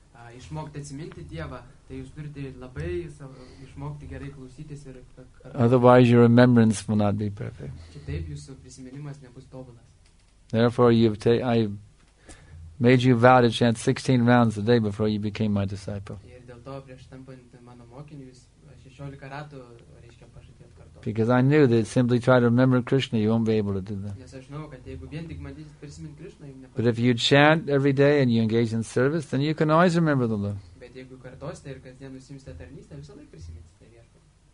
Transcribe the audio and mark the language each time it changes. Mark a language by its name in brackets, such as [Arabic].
[Lithuanian] Išmokti atsiminti Dievą, tai jūs turite labai išmokti gerai klausytis ir [English] otherwise your remembrance will not be perfect. [Lithuanian] Kitaip jūsų prisiminimas nebus tobulas. [English] Therefore I made you vow to chant 16 rounds a day before you became my disciple. [Lithuanian] Ir dėl to prieš tampant mano mokiniu jūs 16 ratų reiškia pažadėjot kartu. [English] Because I knew that simply try to remember Krishna you won't be able to do that. [Lithuanian] Nes aš žinau, kad jeigu vien tik bandysit prisiminti Krishna, [English] but if you chant every day and you engage in service, then you can always remember the Lord. [Lithuanian] kad jeigu kartosite ir kasdien nusimsite tarnystę, visą laiką prisiminsite viešpatį.